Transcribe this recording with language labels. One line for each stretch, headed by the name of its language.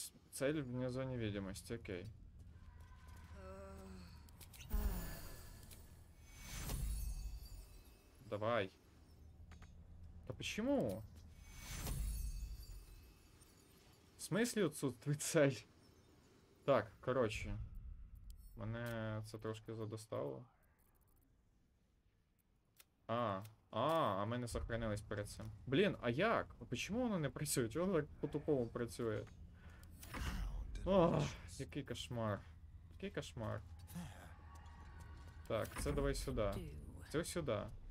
Russian: Цель вне зоны видимости, окей. Давай. Да почему? В смысле отсутствует цель? Так, короче.
Ukrainian: Мене це трошки задостало. А ми не сохранились перед цим. Блін, а як? А почему воно не працює? Чого так по-тупому працює? Ох, який кошмар. Який кошмар. Так, це давай сюди. Це сюди.